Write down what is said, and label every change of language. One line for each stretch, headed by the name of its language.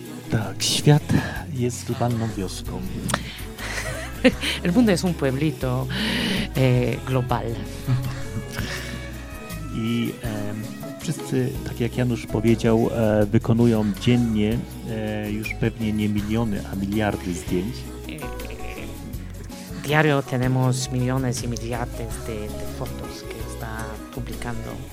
Polish: Tak, świat jest globalną wioską.
Spanish: El mundo es un pueblito global.
Polish: I wszyscy, tak jak Janusz powiedział, wykonują dziennie już pewnie nie miliony, a miliardy zdjęć.
Spanish: Diario tenemos millones y miliardes de fotos que está publicando.